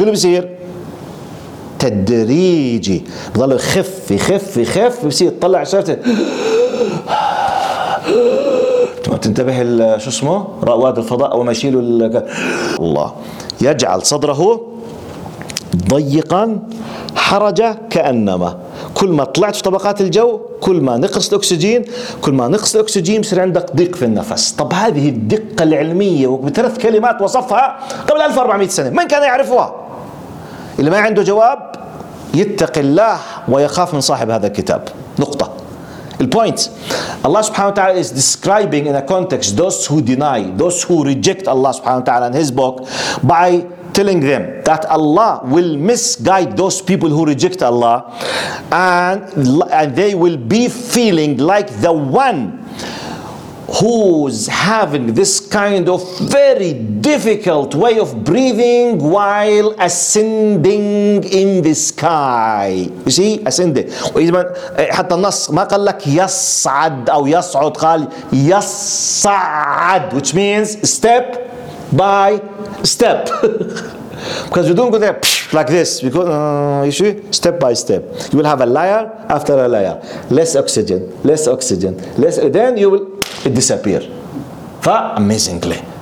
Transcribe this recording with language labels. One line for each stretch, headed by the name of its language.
Arabic: شو اللي بصير؟ تدريجي بضل يخف يخف يخف، بصير تطلع عشرته ما تنتبه شو اسمه رواد الفضاء أو ما يشيله الله، يجعل صدره ضيقا حرجة كأنما كل ما طلعت في طبقات الجو، كل ما نقص الأكسجين، كل ما نقص الأكسجين بصير عندك ضيق في النفس. طب هذه الدقة العلمية وبثلاث كلمات وصفها قبل 1400 سنة، من كان يعرفها؟ اللي ما عنده جواب يتق الله ويخاف من صاحب هذا الكتاب. نقطة البوينت،
English: الله سبحانه وتعالى is describing in a context those who deny, those who reject Allah سبحانه وتعالى in his book by telling them that Allah will misguide those people who reject Allah and they will be feeling like the one who's having this kind of very difficult way of breathing while ascending in the sky. You see, ascending.
Arabic: حتى النص ما قال لك يصعد أو يصعد، قال يصعد
English: which means step by step. Because you don't go there like this. Because you see, step by step, you will have a layer after a layer, less oxygen, less oxygen, less. Then you will it disappear. Amazingly.